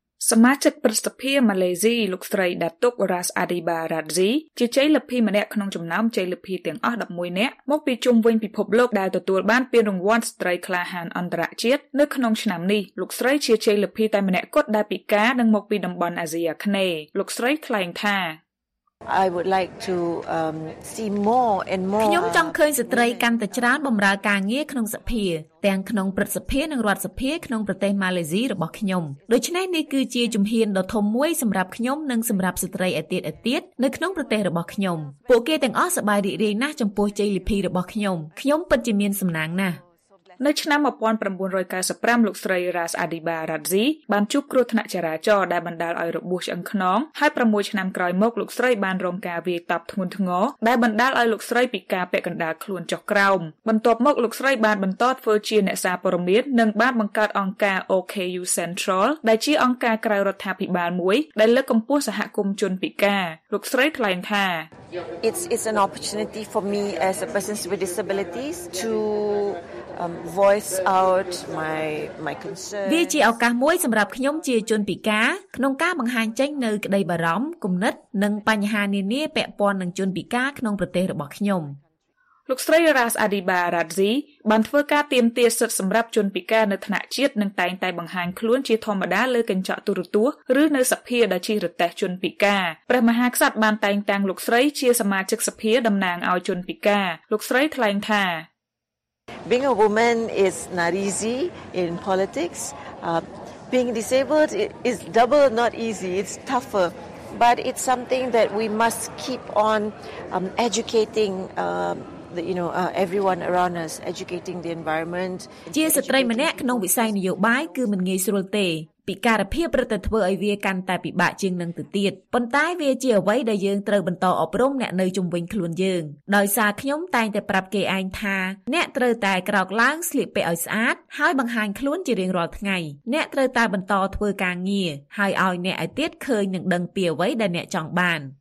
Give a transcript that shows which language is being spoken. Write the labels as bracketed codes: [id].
[km] សមាជិកប្រសិទ្ធភាពម៉ាឡេស៊ីលោកស្រីដាតុករ៉ាសអាឌីបារ៉ាឌីជាជ័យលទ្ធិម្នាក់ក្នុងចំណោមជ័យលទ្ធិទាំងអស់11នាក់មកពីជុំវិញពិភពលោកដែលទទួលបានពានរង្វាន់ស្ត្រីក្លាហានអន្តរជាតិនៅក្នុងឆ្នាំនេះលោកស្រីជាជ័យលទ្ធិតែម្នាក់គត់ដែលពីការនិងមកពីតំបន់អាស៊ីអាគ្នេយ៍លោកស្រីថ្លែងថា [en] I would like to see more and more [km] ខ្ញុំចង់ឃើញស្ត្រីកាន់តែច្រើនបម្រើការងារក្នុងសភាទាំងក្នុងព្រឹទ្ធសភានិងរដ្ឋសភាក្នុងប្រទេសម៉ាឡេស៊ីរបស់ខ្ញុំដូច្នេះនេះគឺជាជំហានដ៏ធំមួយសម្រាប់ខ្ញុំនិងសម្រាប់ស្ត្រីឯទៀតនៅក្នុងប្រទេសរបស់ខ្ញុំពួកគេទាំងអស់សប្បាយរីករាយណាស់ចំពោះជ័យលាភីរបស់ខ្ញុំពិតជាមានសំណាងណាស់ នៅឆ្នាំ1995លោកស្រីរ៉ាសអាឌីបារ៉ាឌីបានជួបគ្រោះថ្នាក់ចរាចរណ៍ដែលបណ្តាលឲ្យរបួសឆ្អឹងខ្នងហើយ6ឆ្នាំក្រោយមកលោកស្រីបានរងការវាយតប់ធ្ងន់ធ្ងរដែលបណ្តាលឲ្យលោកស្រីពិការពាក់កណ្តាលខ្លួនចុះក្រោមបន្ទាប់មកលោកស្រីបានបន្តធ្វើជាអ្នកសារព័ត៌មាននិងបានបង្កើតអង្គការ OKU Central ដែលជាអង្គការក្រៅរដ្ឋាភិបាលមួយដែលលើកកម្ពស់សហគមន៍ជនពិការលោកស្រីថ្លែងថា [en] It's an opportunity for me as a person with disabilities to voice out my concerns [km] វាជាឱកាសមួយសម្រាប់ខ្ញុំជាជនពិការក្នុងការបង្ហាញចេញនៅក្តីបារម្ភគំនិតនិងបញ្ហានានាពាក់ព័ន្ធនឹងជនពិការក្នុងប្រទេសរបស់ខ្ញុំ លោកស្រីរ៉ាសអាឌីបារ៉ាឌីបានធ្វើការទៀមទាត់សិទ្ធិសម្រាប់ជនពិការនៅថ្នាក់ជាតិនិងតែងតែបង្ហាញខ្លួនជាធម្មតាលើកញ្ចក់ទូរទស្សន៍ឬនៅសភាដែលជារទេះជនពិការព្រះមហាក្សត្របានតែងតាំងលោកស្រីជាសមាជិកសភាតំណាងឲ្យជនពិការលោកស្រីថ្លែងថា [en] Being a woman is not easy in politics. Being disabled is double not easy, it's tougher. But it's something that we must keep on educating everyone around us, educating the environment. [km] ជាស្ត្រីម្នាក់ក្នុងវិស័យនយោបាយគឺមិនងាយស្រួលទេ។ពិការភាពប្រតិធ្វើឲ្យវាកាន់តែពិបាកជាងនឹងទៅទៀតប៉ុន្តែវាជាអ្វីដែលយើងត្រូវបន្តអប់រំអ្នកនៅជុំវិញខ្លួនយើងដោយសារខ្ញុំតែងតែប្រាប់គេឯងថាអ្នកត្រូវតែក្រោកឡើងស្លៀកពាក់ឲ្យស្អាតហើយបង្ហាញខ្លួនជារៀងរាល់ថ្ងៃអ្នកត្រូវតែបន្តធ្វើការងារហើយឲ្យអ្នកឯទៀតឃើញនឹងដឹងពីអ្វីដែលអ្នកចង់បាន